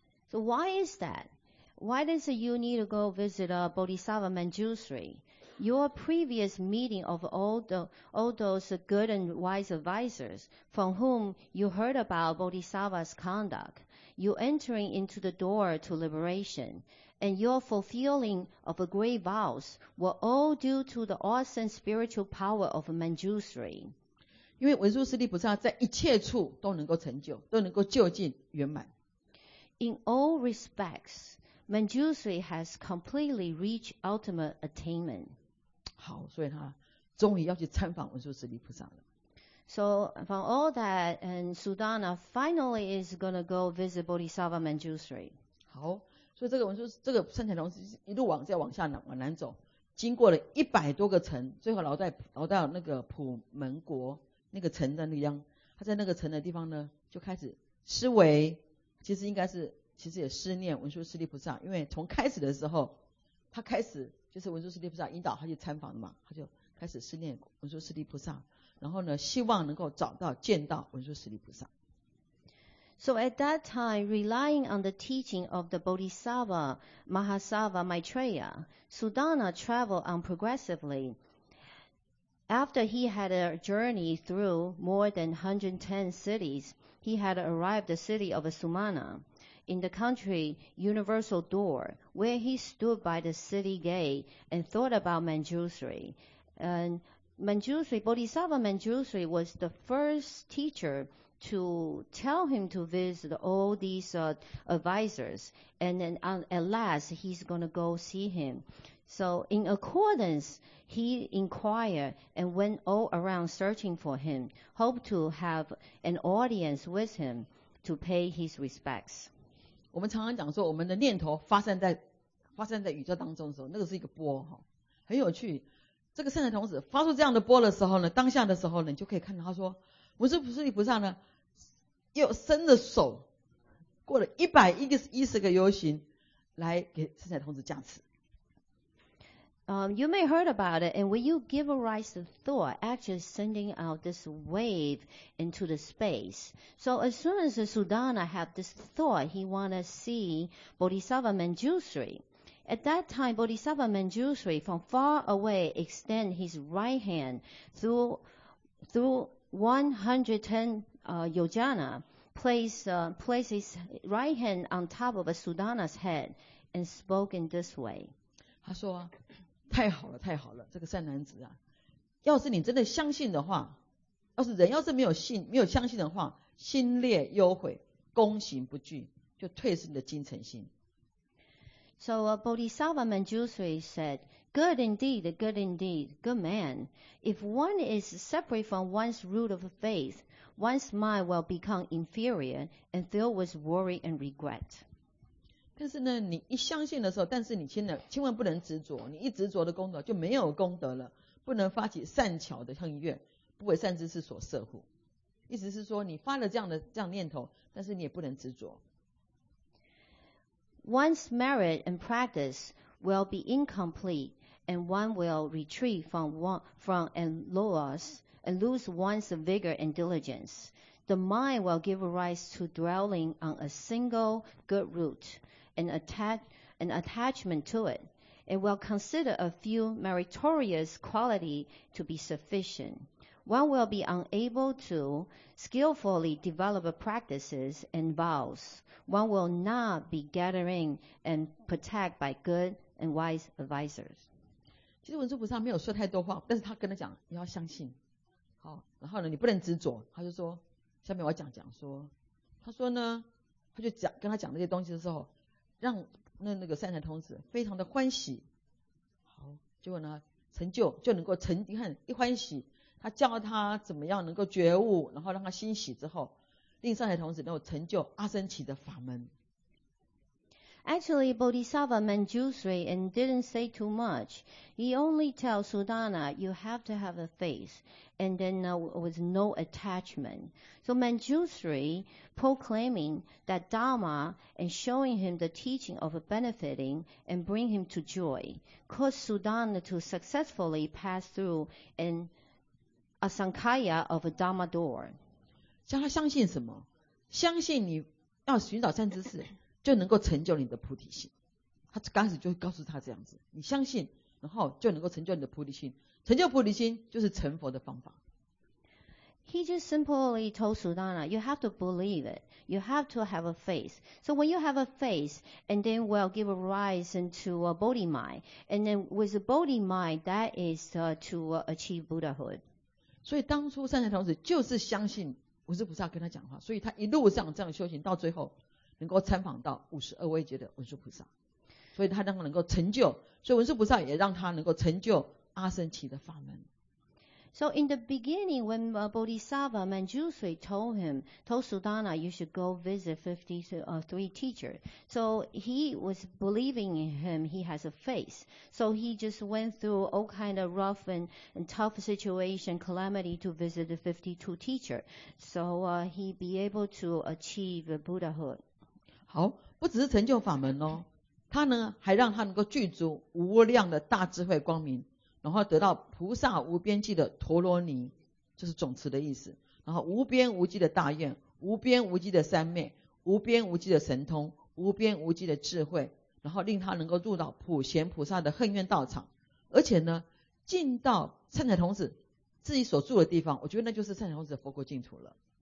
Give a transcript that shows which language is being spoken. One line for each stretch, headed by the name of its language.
English: So why is that? Why does you need to go visit a Bodhisattva Manjushri? Your previous meeting of all those good and wise advisors from whom you heard about Bodhisattva's conduct, you entering into the door to liberation. And your fulfilling of a great vows were all due to the awesome spiritual power of Manjushri.
Chinese: 因为文殊师利菩萨在一切处都能够成就，都能够究竟圆满。
English: In all respects, Manjushri has completely reached ultimate attainment.
Chinese: 好，所以他终于要去参访文殊师利菩萨了。
English: So from all that, and Sudana finally is going to go visit Bodhisattva Manjushri.
Chinese: 好。所以这个文殊这个善财童子一路往下往南走，经过了100多个城，最后落到那个普门国那个城的那样，他在那个城的地方呢，就开始思维，其实也思念文殊师利菩萨，因为从开始的时候，他开始就是文殊师利菩萨引导他去参访的嘛，他就开始思念文殊师利菩萨，然后呢，希望能够找到见到文殊师利菩萨。
English: So at that time, relying on the teaching of the Bodhisattva Mahasattva Maitreya, Sudana traveled on progressively. After he had a journey through more than 110 cities, he had arrived at the city of Sumana, in the country Universal Door, where he stood by the city gate and thought about Manjushri. And Bodhisattva Manjushri was the first teacher to tell him to visit all these advisors, and then at last he's going to go see him. So in accordance, he inquired and went all around searching for him, hoped to have an audience with him to pay his respects.
Chinese: 我们常常讲说，我们的念头发散在宇宙当中的时候，那个是一个波，很有趣。这个圣神童子发出这样的波的时候呢，当下的时候呢，你就可以看到他说，文殊师利菩萨呢，又伸着手，过了110个游行，来给圣神童子加持。
English: You may heard about it, and when you give a rise to thought, actually sending out this wave into the space. So as soon as the Sudana had this thought, he wanted to see Bodhisattva Manjushri. At that time, Bodhisattva Manjushri from far away extend his right hand through 110 yojana, place his right hand on top of a Sudana's head and spoke in this way.
Chinese: 他说啊，太好了太好了，这个善男子啊，要是你真的相信的话，要是人要是没有信没有相信的话，心烈忧悔，功行不具，就退失你的精诚心。
English: So Bodhisattva Manjushri said, good indeed, good indeed, good man. If one is separate from one's root of faith, one's mind will become inferior and filled with worry and regret.
Chinese: 但是呢，你一相信的时候，但是你千万不能执着，你一执着的功德就没有功德了，不能发起善巧的行愿，不为善知识所摄护。意思是说，你发了这样念头，但是你也不能执着。
English: One's merit and practice will be incomplete, and one will retreat from and lose one's vigor and diligence. The mind will give rise to dwelling on a single good root, an attachment to it. It will consider a few meritorious qualities to be sufficient. One will be unable to skillfully develop practices and vows. One will not be gathering and protected by good and wise advisors.
Chinese: 其实文殊菩萨没有说太多话，但是他跟他讲，你要相信。好，然后呢，你不能执着。他就说，下面我讲说，他说呢，他就讲跟他讲这些东西的时候，让那个善财童子非常的欢喜。好，结果呢，成就，你看一欢喜。他教他怎么样能够觉悟，然后让他欣喜之后，令善财童子能够成就阿僧祇的法门。
English: Actually, Bodhisattva Manjushri and didn't say too much. He only tells Sudana, you have to have a faith, and then with no attachment. So Manjushri proclaiming that Dharma and showing him the teaching of benefiting and bring him to joy, caused Sudana to successfully pass through andA sankhya of a Dharma door.
Chinese: 叫他相信什么？相信你要寻找善知识，就能够成就你的菩提心。他刚开始就告诉他这样子，你相信，然后就能够成就你的菩提心。成就菩提心就是成佛的方法。
English: He just simply told Sudana, you have to believe it. You have to have a faith. So when you have a faith, and then will give a rise into a Bodhi mind, and then with a Bodhi mind, that is to achieve Buddhahood.
Chinese: 所以当初善财童子就是相信文殊菩萨跟他讲话，所以他一路上这样修行，到最后能够参访到52位劫的文殊菩萨，所以他让他能够成就，所以文殊菩萨也让他能够成就阿僧祇的法门。
English: So in the beginning, when Bodhisattva Manjushri told Sudana, you should go visit 53 teachers. So he was believing in him, he has a faith. So he just went through all kind of rough and tough situation, calamity to visit the 52 teachers. So he be able to achieve Buddhahood.
Chinese: 好，不只是成就法门哦，他呢还让他能够具足无量的大智慧光明。然后得到菩萨无边际的陀罗尼，就是总持的意思。然后无边无际的大愿，无边无际的三昧，无边无际的神通，无边无际的智慧，然后令他能够入到普贤菩萨的恨愿道场，而且呢，进到善财童子自己所住的地方，我觉得那就是善财童子的佛国净土了。